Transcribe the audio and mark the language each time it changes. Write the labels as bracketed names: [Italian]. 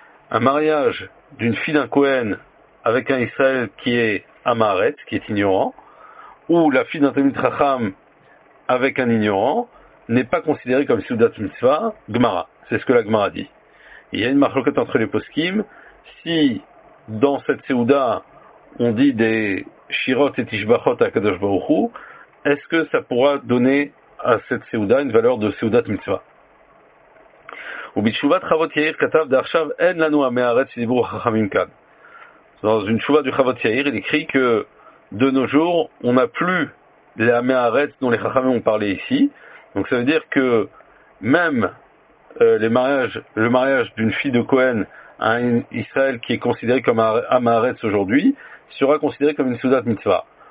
[French] Un mariage d'une fille d'un Kohen avec un Israël qui est Amaret, qui est ignorant, ou la fille d'un Talmid Chacham avec un ignorant, n'est pas considérée comme Seudat Mitzvah, Gemara. C'est ce que la Gemara dit. Il y a une machloket entre les poskim. Si dans cette Seuda on dit des Shirot et Tishbachot à Kadosh Baruch Hu, est-ce que ça pourra donner à cette Seuda une valeur de Seudat Mitzvah? [Hebrew] ובתשובת חוות יאיר כתב דעכשיו אין לנו עמי הארץ שדיברו חכמים כאן. [French] אז une תשובה du חוות יאיר, il écrit que de nos jours, on n'a plus les עמי הארץ dont les חכמים ont parlé ici. Donc ça veut dire que même le mariage d'une fille de Cohen à un Israël qui est considéré comme un Maharetz aujourd'hui, sera considéré comme une Soudat Mitzvah.